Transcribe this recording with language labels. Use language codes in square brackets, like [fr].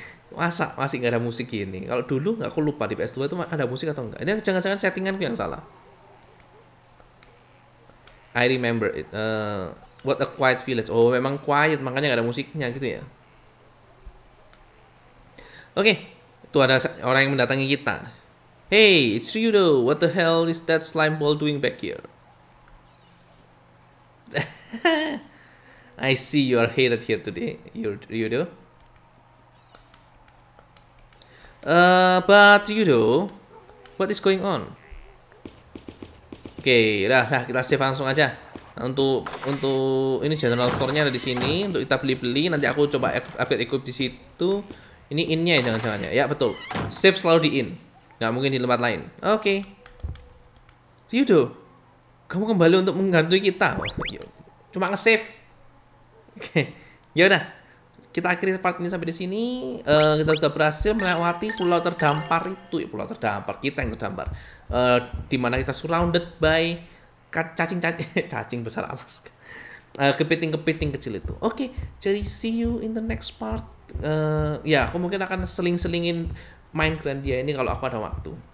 [id] Masa masih nggak ada musik gini? Kalau dulu nggak, aku lupa di PS2 itu ada musik atau enggak. Ini jangan-jangan settinganku yang salah. [en] I remember it. What a quiet village. [id] Oh, memang quiet, makanya gak ada musiknya gitu ya. Oke, okay. Tuh ada orang yang mendatangi kita. [en] Hey, it's you though. What the hell is that slime ball doing back here? I see you are hated here today. You do. But you do. What is going on? Oke, okay, [id] dah, kita save langsung aja. Untuk ini general store-nya ada di sini untuk kita beli-beli. Nanti aku coba update equip di situ. Ini innya ya, jangan-jangan ya. Ya betul. Save selalu di in. Nggak mungkin di tempat lain. Oke. Okay. Ryudo, kamu kembali untuk menggantui kita. Cuma nge-save. Oke. Okay. Ya udah. Kita akhiri part ini sampai di sini. Kita sudah berhasil melewati pulau terdampar itu. Ya, pulau terdampar kita yang terdampar. Dimana kita surrounded by cacing besar Alaska, kepiting-kepiting kecil itu. [en] Oke, okay, [id] jadi [en] see you in the next part. [id] Ya, aku mungkin akan seling-selingin main Grandia ini kalau aku ada waktu.